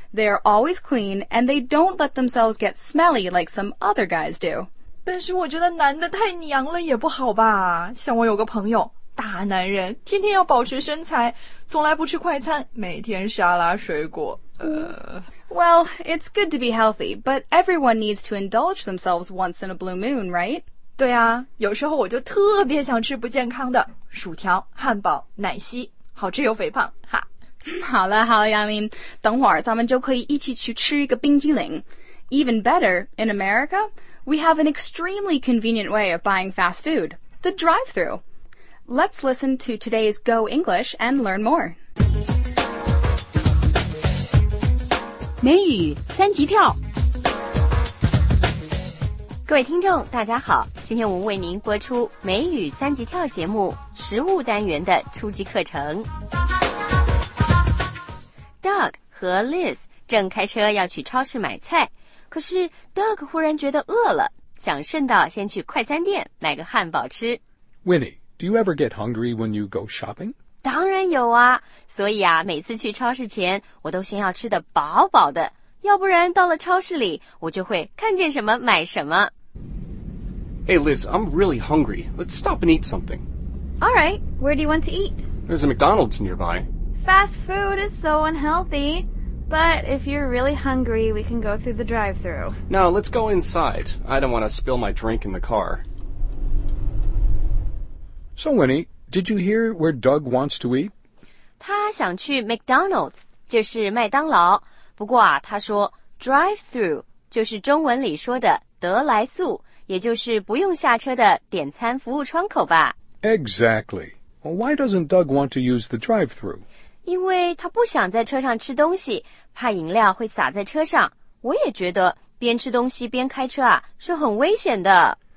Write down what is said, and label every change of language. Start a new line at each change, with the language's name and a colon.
English: They are always clean, and they don't let themselves get smelly like some other guys do.
Chinese: 但是我觉得男的太娘了也不好吧。像我有个朋友，大男人，天天要保持身材，从来不吃快餐，每天沙拉水果。
English: Well, it's good to be healthy, but everyone needs to indulge themselves once in a blue moon, right?
Chinese: 对啊，有时候我就特别想吃不健康的薯条、汉堡、奶昔，好吃又肥胖，哈。好了好了，杨林，等会儿咱们就可以一起去吃一个冰激凌。
English: Even better, in America, we have an extremely convenient way of buying fast food, the drive-thru. Let's listen to today's Go English and learn more.
Chinese: 美语三级跳。各位听众大家好，今天我们为您播出美语三级跳节目实务单元的初级课程。 Doug 和 Liz 正开车要去超市买菜，可是 Doug 忽然觉得饿了，想顺道先去快餐店买个汉堡吃。
English: Winnie, do you ever get hungry when you go shopping?
Chinese: 当然有啊，所以啊，每次去超市前我都先要吃得饱饱的，要不然到了超市里我就会看见什么买什么。
English: Hey Liz, I'm really hungry. Let's stop and eat something. Alright, where do you want to eat? There's a McDonald's nearby. Fast food is so unhealthy, but if you're really hungry, we can go through the drive-thru. No, let's go inside. I don't want to spill my drink in the car. So, Winnie, did you hear where Doug wants to eat?
Chinese: 他想去 McDonald's, 就是麦当劳。不过啊，他说 drive-thru 就是中文里说的得来速，也就是不用下车的点餐服务窗口吧。
English: Exactly. Well, why doesn't Doug want to use the drive-thru?
Chinese: 因为他不想在车上吃东西，怕饮料会洒在车上。我也觉得边吃东西边开车啊，是很危险的。